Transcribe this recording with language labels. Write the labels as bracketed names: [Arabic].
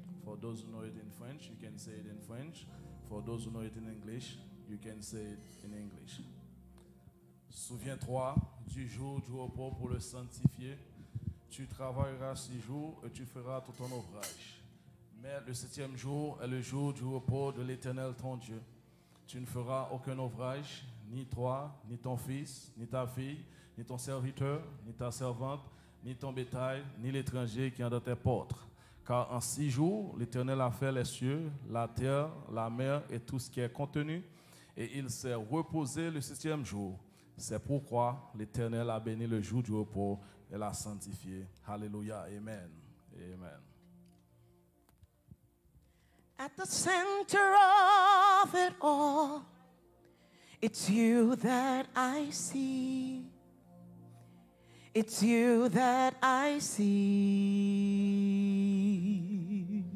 [English] For those who know it in French, you can say it in French. For those who know it in English, you can say it in English. [French] Souviens-toi du jour du repos pour le sanctifier. Tu travailleras six jours et tu feras tout ton ouvrage. Mais le septième jour est le jour du repos de l'Éternel ton Dieu. Tu ne feras aucun ouvrage, ni toi, ni ton fils, ni ta fille, ni ton serviteur, ni ta servante, ni ton bétail, ni l'étranger qui est dans tes portes. Car en six jours, l'Éternel a fait les cieux, la terre, la mer et tout ce qui est contenu, et il s'est reposé le septième jour. C'est pourquoi l'Éternel a béni le jour du repos et l'a sanctifié. Alléluia. Amen. Amen. [English] At the center of it all, it's you that I see. It's you that I see.